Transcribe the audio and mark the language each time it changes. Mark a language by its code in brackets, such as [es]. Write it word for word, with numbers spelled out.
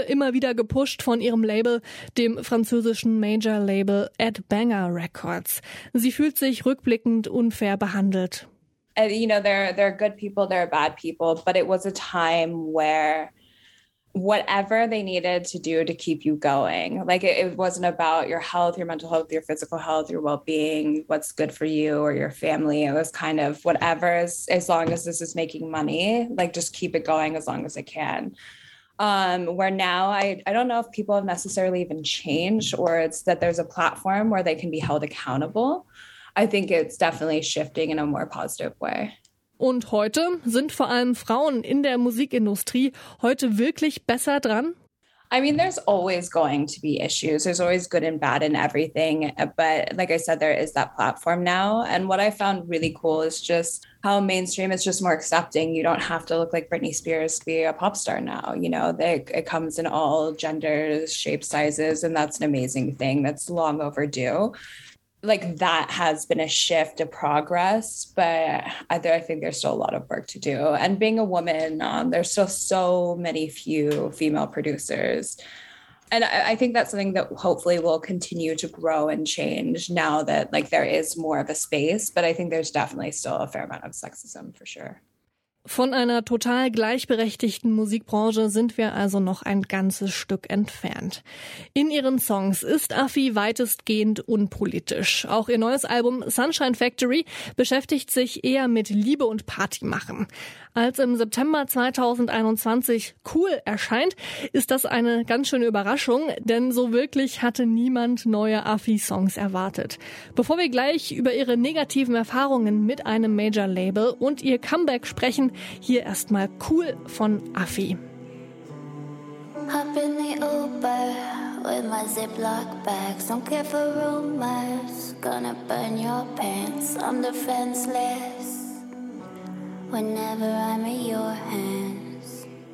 [de] Immer wieder gepusht von ihrem Label, dem französischen Major-Label Ed Banger Records. Sie fühlt sich rückblickend unfair behandelt. [en] You know, there, there are good people, there are bad people, but it was a time where whatever they needed to do to keep you going, like it, it wasn't about your health, your mental health, your physical health, your well-being, what's good for you or your family. It was kind of whatever, is, as long as this is making money, like just keep it going as long as I can. Um, where now I, I don't know if people have necessarily even changed or it's that there's a platform where they can be held accountable. I think it's definitely shifting in a more positive way. [de] Und heute sind vor allem Frauen in der Musikindustrie heute wirklich besser dran? [en] I mean, there's always going to be issues. There's always good and bad in everything. But like I said, there is that platform now. And what I found really cool is just how mainstream is just more accepting. You don't have to look like Britney Spears to be a pop star now. You know, they, it comes in all genders, shapes, sizes, and that's an amazing thing. That's long overdue. Like that has been a shift, a progress, but I think there's still a lot of work to do. And being a woman, um, there's still so many few female producers. And I, I think that's something that hopefully will continue to grow and change now that like there is more of a space, but I think there's definitely still a fair amount of sexism for sure. [de] Von einer total gleichberechtigten Musikbranche sind wir also noch ein ganzes Stück entfernt. In ihren Songs ist Affi weitestgehend unpolitisch. Auch ihr neues Album Sunshine Factory beschäftigt sich eher mit Liebe und Partymachen. Als im September zweitausendeinundzwanzig Cool erscheint, ist das eine ganz schöne Überraschung, denn so wirklich hatte niemand neue Affi-Songs erwartet. Bevor wir gleich über ihre negativen Erfahrungen mit einem Major-Label und ihr Comeback sprechen, hier erstmal Cool von Affi. [en] Hop in the Uber with my Ziploc bags. Don't care for rumors, gonna burn your pants. I'm defenseless whenever I'm in your hands.